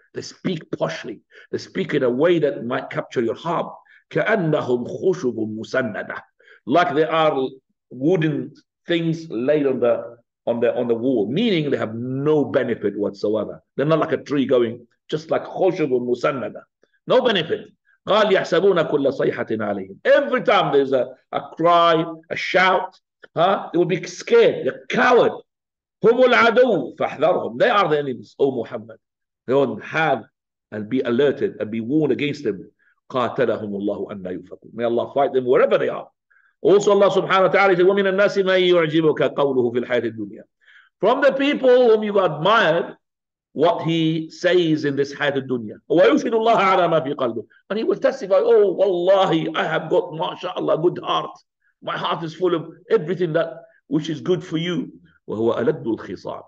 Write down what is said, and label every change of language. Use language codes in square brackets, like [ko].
[en] They speak poshly. They speak in a way that might capture your heart. [ar] كَأَنَّهُمْ خُشُبٌ مُسَنَّدَةٌ. [en] Like they are wooden things laid on the wall. Meaning they have no benefit whatsoever. They're not like a tree going, just like [ar] خُشُبٌ مُسَنَّدَةٌ. [en] No benefit. [ar] قال يحسبون كل صيحة عليهم. [en] Every time there's a cry, a shout, huh? They will be scared. They're coward. [ar] هم العدو فاحذرهم. [en] They are the enemies. Oh Muhammad, they will have and be alerted and be warned against them. [ar] قاتلهم الله أن يفكون. [en] May Allah fight them wherever they are. Also Allah Subhanahu wa Taala said, [ar] ومن الناس ما يعجبك قوله في الحياة الدنيا. [en] From the people whom you admired, what he says in this hayat al-dunya. [ar] وَيُشْهِدُ اللَّهَ عَلَى مَا فِي قَلْبِهِ. [en] And he will testify, oh, wallahi, I have got, masha'Allah, good heart. My heart is full of everything that which is good for you. [ar] وَهُوَ أَلَدُّ الْخِصَامِ.